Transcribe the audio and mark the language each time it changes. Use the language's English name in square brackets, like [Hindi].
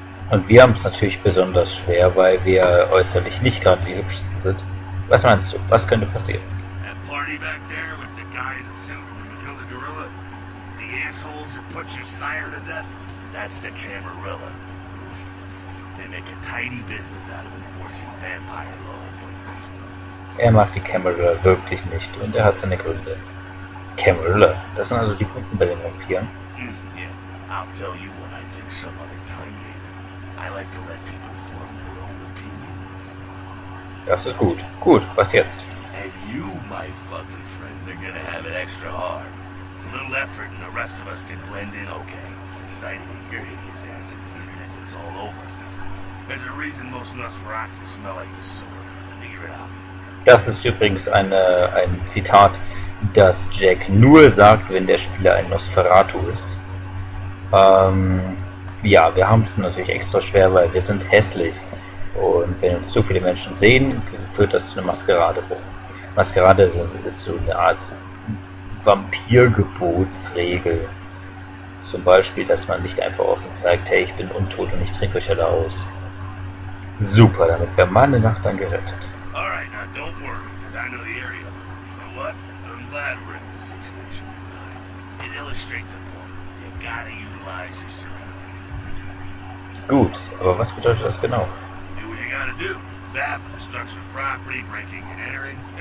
[German] Und wir haben es natürlich besonders schwer, weil wir äußerlich nicht gerade die Hübschsten sind. Was meinst du? Was könnte passieren? [English] That party back there with the guy in the suit from the Killer Gorilla? The assholes that put your sire to death? That's the Camarilla. They make a tidy business out of enforcing vampire laws like this one. [German] Er mag die Camarilla wirklich nicht und er hat seine Gründe. Camarilla? Das sind also die Punkte bei den Vampiren? [English] Yeah, I'll tell you what I think some other time. I like to let people form their own opinions. [German] Das ist gut. Gut, was jetzt? [English] And you, my fucking friend, they're gonna have it extra hard. A little effort and the rest of us can blend in okay. The sight of your hideous ass hits the internet and it's all over. There's a reason most Nosferatu smell like the sewer. Figure it out. [German] Das ist übrigens ein Zitat, das Jack nur sagt, wenn der Spieler ein Nosferatu ist. Ja, wir haben es natürlich extra schwer, weil wir sind hässlich. Und wenn uns zu viele Menschen sehen, führt das zu einer Maskerade. Maskerade ist so eine Art Vampirgebotsregel. Zum Beispiel, dass man nicht einfach offen zeigt, hey, ich bin untot und ich trinke euch alle aus. Super, damit wäre meine Nacht dann gerettet. [English] Alright, now don't worry, because I know the area. You know what? I'm glad we're in this situation. It illustrates a point. You gotta utilize your surroundings. [German] Gut, aber was bedeutet das genau? [English] Do what you gotta do. Theft, destruction of property, breaking and entering.